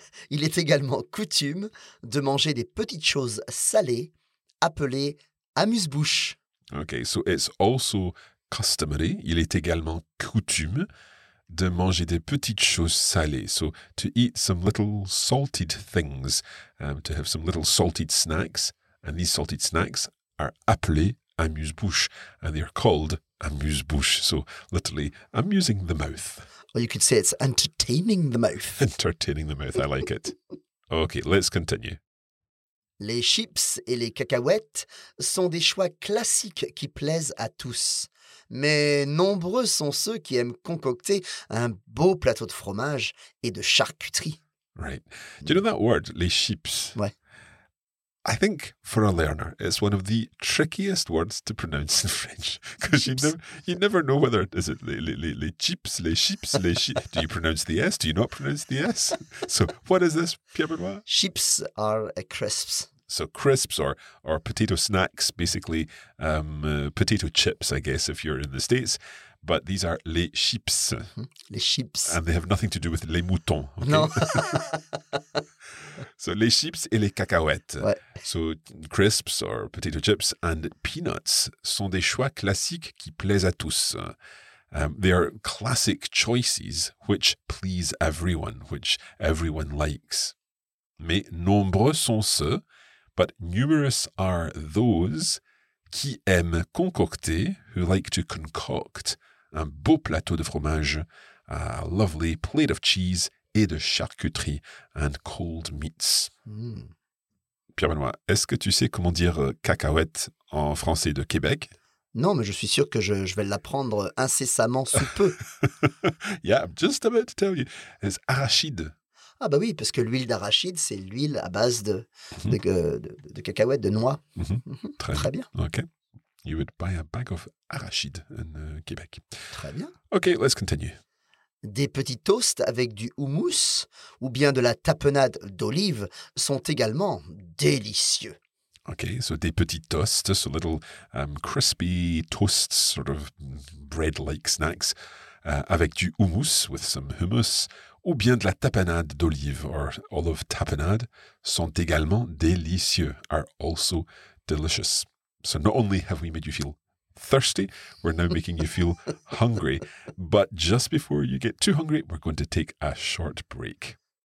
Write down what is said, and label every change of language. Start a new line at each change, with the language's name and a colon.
French: Il est également coutume de manger des petites choses salées appelées amuse-bouche.
English: Okay, so it's also customary.
French: Il est également coutume de manger des petites choses salées.
English: So to eat some little salted things, to have some little salted snacks. And these salted snacks are
French: appelés amuse-bouche.
English: And they're called amuse-bouche, so literally amusing the mouth. Or you could say it's entertaining the mouth. Entertaining the mouth, I like it. Okay, let's continue.
French: Les chips et les cacahuètes sont des choix classiques qui plaisent à tous. Mais nombreux sont ceux qui aiment concocter un beau plateau de fromage et de charcuterie.
English: Right. Do you know that word, les chips?
French: Ouais.
English: I think for a learner, it's one of the trickiest words to pronounce in French because you never know whether is it les chips. Do you pronounce the S? Do you not pronounce the S? So what is this, Pierre-Benoît? Chips are crisps. So crisps or potato snacks, basically potato chips, I guess, if you're in the States. But these are les chips. Mm-hmm.
French: Les chips.
English: And they have nothing to do with les moutons. Okay? No.
French: So les chips et les cacahuètes. Ouais.
English: So crisps or potato chips and peanuts
French: sont des choix classiques qui plaisent à tous.
English: They are classic choices which please everyone, which everyone likes.
French: Mais nombreux sont ceux,
English: but numerous are those
French: qui aiment concocter,
English: who like to concoct,
French: un beau plateau de fromage,
English: a lovely plate of cheese
French: et de charcuterie,
English: and cold meats. Mm.
French: Pierre Benoît, est-ce que tu sais comment dire cacahuète en français de Québec? Non, mais je suis sûr que je vais l'apprendre incessamment sous peu.
English: Yeah, I'm just about to tell you. It's arachide.
French: Ah bah oui, parce que l'huile d'arachide, c'est l'huile à base de cacahuètes, de noix. Mm-hmm. Très bien.
English: OK. You would buy a bag of arachide in Québec.
French: Très bien.
English: OK, let's continue.
French: Des petits toasts avec du houmous ou bien de la tapenade d'olive sont également délicieux.
English: Okay, so
French: des petits toasts,
English: so little crispy toasts, sort of bread-like snacks,
French: avec du houmous,
English: with some hummus,
French: ou bien de la tapenade d'olive,
English: or olive tapenade,
French: sont également délicieux,
English: are also delicious. So not only have we made you feel thirsty, we're now making you feel hungry. But just before you get too hungry, we're going to take a short break.